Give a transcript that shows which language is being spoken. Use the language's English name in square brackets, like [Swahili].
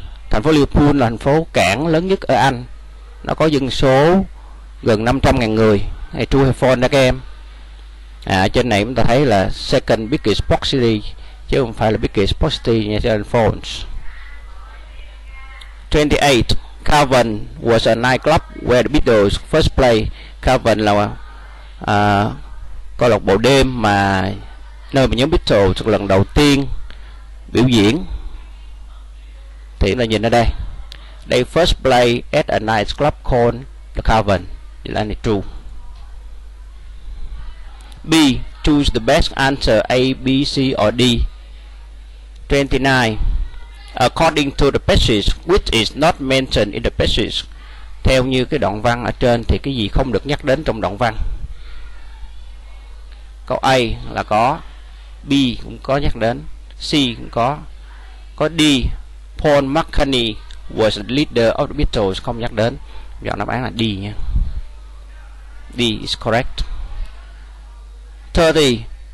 [Vietnamese] Thành phố Liverpool là thành phố cảng lớn nhất ở Anh. Nó có dân số gần 500,000 người. Hay true hay false đó các em? Trên này chúng ta thấy là [English] second biggest port city, [Vietnamese] chứ không phải là [English] biggest port city [Vietnamese] nha, trên phones. 28. [English] Cavern was a nightclub where the Beatles first played. [Vietnamese] Cavern là câu lạc bộ đêm mà nơi mà nhóm Beatles lần đầu tiên biểu diễn. Thì chúng ta nhìn ở đây, [English] they first played at a nightclub called the Cavern. [Vietnamese] Thì là này true. [English] B. Choose the best answer A, B, C or D. 29. According to the passage, which is not mentioned in the passage. [Vietnamese] Theo như cái đoạn văn ở trên thì cái gì không được nhắc đến trong đoạn văn? Câu A là có, B cũng có nhắc đến, C cũng có. Câu D, [English] Paul McCartney was the leader of the Beatles, [Vietnamese] không nhắc đến. Chọn đáp án là D nha. [English] D is correct. [Vietnamese] 30.